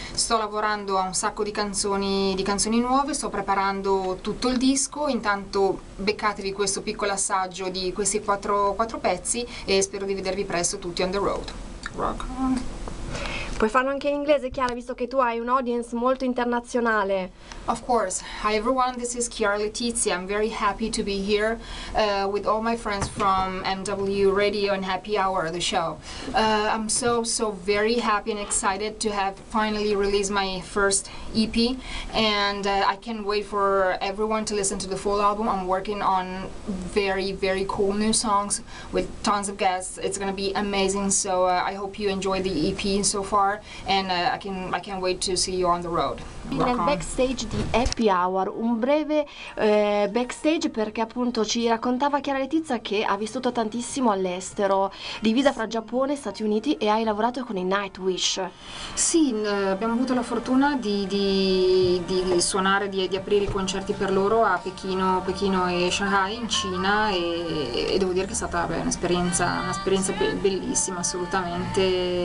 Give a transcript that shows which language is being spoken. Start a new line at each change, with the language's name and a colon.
Italian: Sto lavorando a un sacco di canzoni nuove, sto preparando tutto il disco, intanto beccatevi questo piccolo assaggio di questi quattro pezzi e spero di vedervi presto tutti
English: on the road. Rock on!
Italian: Puoi farlo anche in inglese, Chiara, visto che tu hai un audience molto internazionale.
English: Of course. Hi everyone, this is Chiara Letizia. I'm very happy to be here with all my friends from MW Radio and Happy Hour, the show. I'm so very happy and excited to have finally released my first EP and I can't wait for everyone to listen to the full album. I'm working on very, very cool new songs with tons of guests. It's gonna be amazing, so I hope you enjoy the EP so far. And I can't wait to see you on the road.
Italian: Nel backstage di Happy Hour, un breve backstage, perché appunto ci raccontava Chiara Letizia che ha vissuto tantissimo all'estero, divisa fra Giappone e Stati Uniti, e hai lavorato con i Nightwish. Sì, abbiamo avuto la fortuna di suonare, di aprire i concerti per loro a Pechino e Shanghai in Cina, e devo dire che è stata un'esperienza bellissima assolutamente.